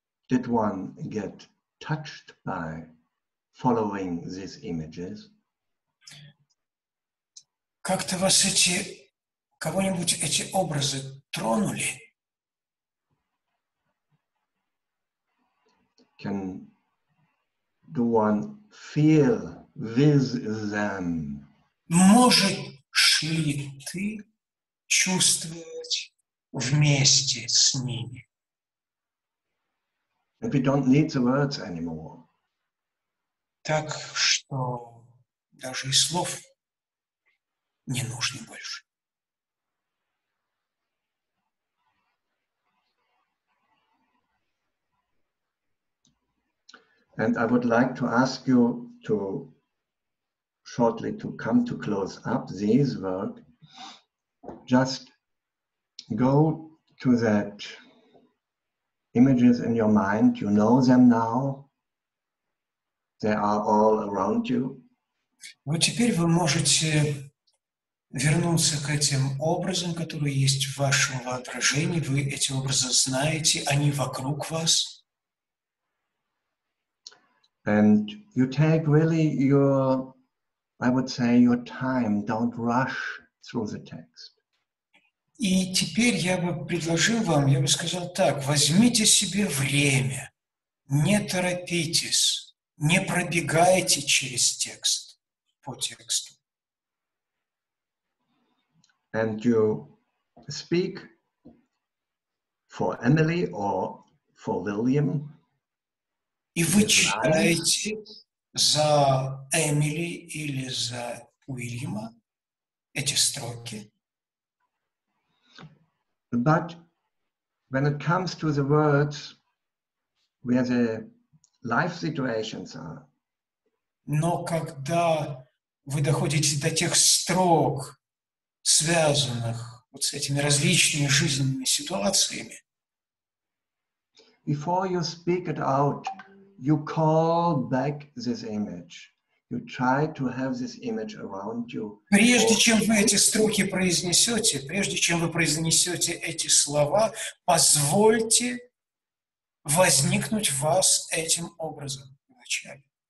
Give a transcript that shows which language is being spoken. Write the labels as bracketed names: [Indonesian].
[English] Did one get touched by following these images? [Russian] Как-то вас эти, кого-нибудь эти образы тронули? [English] Can do one feel with them? [Russian] Можешь ли ты чувствовать вместе с ними? [English] And we don't need the words anymore. [Russian] Так что даже и слов не нужно больше. [English] And I would like to ask you to shortly to come to close up this work. Just go to that images in your mind. You know them now. They are all around you. [Russian] Вот теперь вы можете вернуться к этим образам, которые есть в вашем воображении. Вы эти образы знаете, они вокруг вас. [English] And you take really your, I would say, your time. Don't rush through the text. [Russian] И теперь я бы предложил вам, я бы сказал так, возьмите себе время, не торопитесь, не пробегайте через текст, по тексту. [English] And you speak for Emily or for William. [Russian] И вы читаете за Эмили или за Уильяма эти строки. [English] But when it comes to the words where the life situations are. [Russian] Но когда вы доходите до тех строк, связанных вот с этими различными жизненными ситуациями. [English] Before you speak it out, you call back this image. You try to have this image around you. [Russian] Прежде чем вы эти строки произнесете, прежде чем вы произнесете эти слова, позвольте возникнуть в вас этим образом вначале.